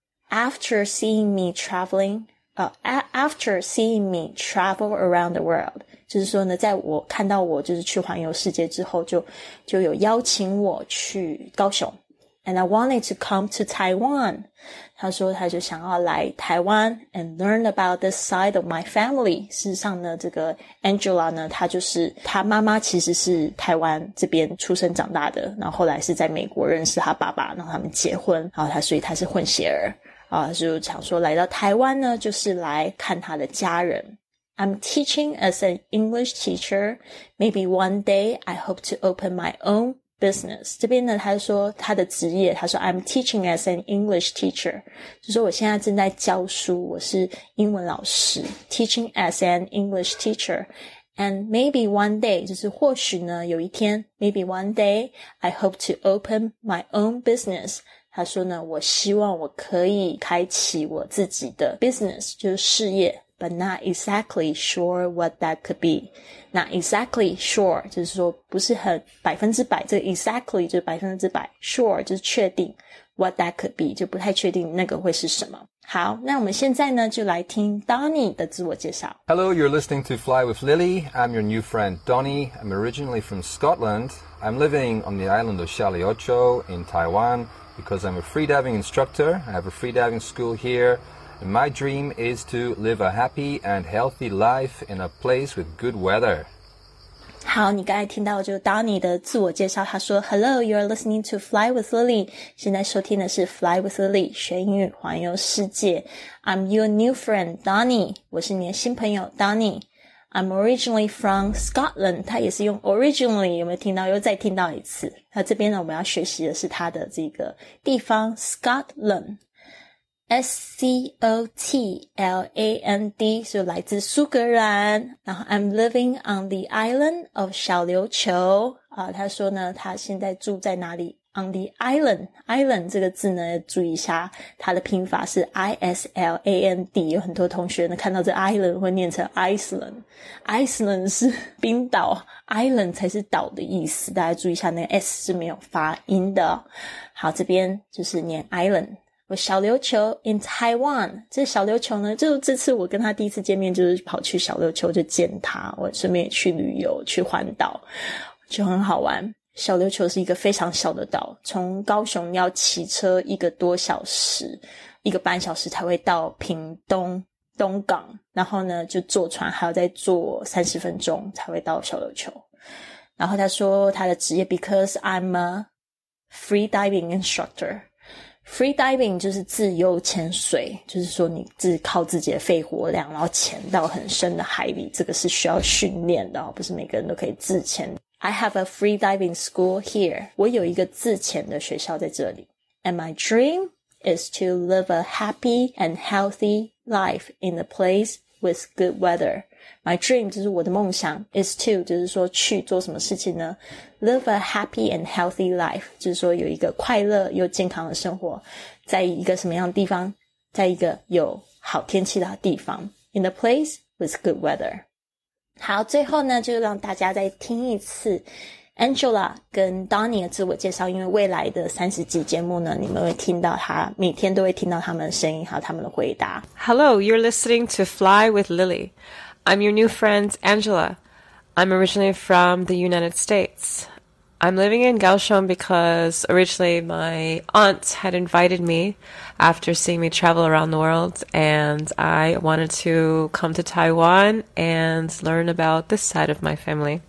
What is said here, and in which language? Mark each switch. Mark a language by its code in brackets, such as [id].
[en] after seeing me traveling、after seeing me travel around the world [zh] 就是说呢在我看到我就是去环游世界之后就有邀请我去高雄 [en] And I wanted to come to Taiwan. [zh] 他说他就想要来台湾 [en] and learn about this side of my family. [zh] 事实上呢这个 Angela 呢他就是他妈妈其实是台湾这边出生长大的然后后来是在美国认识他爸爸然后他们结婚然后他所以他是混血儿然后他就想说来到台湾呢就是来看他的家人。 [en] I'm teaching as an English teacher. Maybe one day I hope to open my ownbusiness. [zh] 这边呢他说他的职业他说 [en] I'm teaching as an English teacher. [zh] 就说我现在正在教书我是英文老师 [en] teaching as an English teacher. And maybe one day, [zh] 就是或许呢有一天 [en] maybe one day, I hope to open my own business. [zh] 他说呢我希望我可以开启我自己的 business, 就是事业。 [en] But not exactly sure what that could be. Not exactly sure, [zh] 就是说不是很百分之百这个 exactly 就是百分之百 sure, 就是确定 [en] what that could be, [zh] 就不太确定那个会是什么。好那我们现在呢就来听 Donnie 的自我介绍。 [en] Hello, you're listening to Fly with Lily. I'm your new friend, Donnie. I'm originally from Scotland. I'm living on the island of Shaliocho in Taiwan because I'm a freediving instructor. I have a freediving school here. My dream is to live a happy and healthy life in a place with good weather. [zh] 好，你刚才听到就是 Donnie 的自我介绍，他说 ： [en] “Hello, you are listening to [zh] Fly with Lily. 现在收听的是 Fly with Lily， 学英语环游世界。 [en] I'm your new friend, Donnie. [zh] 我是你的新朋友 [en] Donnie. I'm originally from Scotland. [zh] 他也是用 originally， 有没有听到？又再听到一次。那这边呢，我们要学习的是他的这个地方 Scotland。” S-C-O-T-L-A-N-D, 所以来自苏格兰。 [en] 然后 I'm living on the island of 小琉球。 [zh] 他说呢他现在住在哪里 ?On the island。 Island 这个字呢注意一下他的拼法是 I-S-L-A-N-D。有很多同学呢看到这 island 会念成 Iceland。Iceland 是冰岛。 Island 才是岛的意思。大家注意一下那个 S 是没有发音的。好这边就是念 island。我小琉球 in Taiwan 这小琉球呢就这次我跟他第一次见面就是跑去小琉球就见他我顺便也去旅游去环岛就很好玩小琉球是一个非常小的岛从高雄要骑车一个多小时一个半小时才会到屏东东港，然后呢就坐船，还要再坐30分钟才会到小琉球。然后他说他的职业 [en] Because I'm a free diving instructor。 [zh] Free diving 就是自由潜水，就是说你自己靠自己的肺活量，然后潜到很深的海里，这个是需要训练的，不是每个人都可以自潜。 [en] I have a free diving school here. [zh] 我有一个自潜的学校在这里。 [en] And my dream is to live a happy and healthy life in a place with good weather. [zh] My dream 就是我的梦想 is to 就是说去做什么事情呢 ？ [en] Live a happy and healthy life [zh] 就是说有一个快乐又健康的生活，在一个什么样的地方，在一个有好天气的地方 ， [en] in a place with good weather。 [zh] 好，最后呢，就让大家再听一次 Angela 跟 Donnie 的自我介绍，因为未来的30集节目呢，你们会听到他，每天都会听到他们的声音和他们的回答。 [en] Hello, you're listening to Fly with Lily. I'm your new friend, Angela. I'm originally from the United States. I'm living in Kaohsiung because originally my aunt had invited me after seeing me travel around the world, and I wanted to come to Taiwan and learn about this side of my family.